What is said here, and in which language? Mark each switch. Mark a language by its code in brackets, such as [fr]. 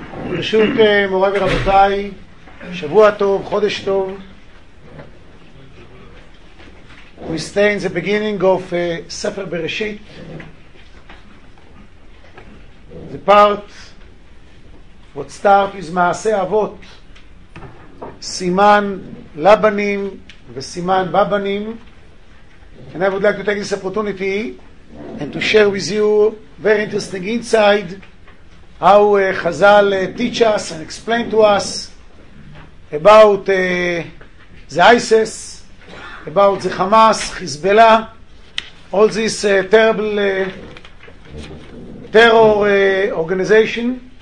[he] ברשות מורי ורבותיי, שבוע טוב, חודש טוב. [en] We stay in the beginning of ספר בראשית. The part what start is [he] מעשה אבות, סימן לבנים וסימן בבנים. [en] And I would like to take this opportunity and to share with you very interesting insight how Chazal teach us and explain to us about the ISIS, about the Hamas, Hezbollah, all this terrible terror organization.